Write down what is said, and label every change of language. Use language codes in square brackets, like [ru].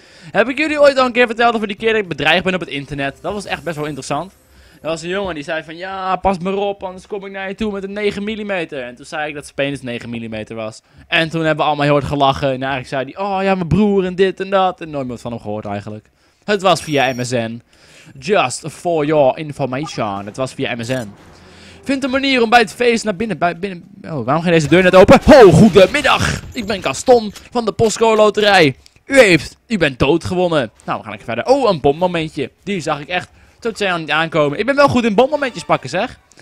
[nl] Heb ik jullie ooit al een keer verteld over die keer dat ik bedreigd ben op het internet? Dat was echt best wel interessant. Er was een jongen die zei van, ja, pas maar op, anders kom ik naar je toe met een 9 mm. En toen zei ik dat zijn penis 9 mm was. En toen hebben we allemaal heel hard gelachen. En eigenlijk zei hij, oh ja, mijn broer en dit en dat. En nooit meer van hem gehoord eigenlijk. Het was via MSN. [en] Just for your information. [nl] Het was via MSN. Vind een manier om bij het feest naar binnen... Oh, waarom ging deze deur net open? Ho, goedemiddag. Ik ben Gaston van de Postcode Loterij. U bent dood gewonnen. Nou, we gaan lekker verder. Oh, een bommomentje. Die zag ik echt tot zij aan het aankomen. Ik ben wel goed in bommomentjes pakken, zeg.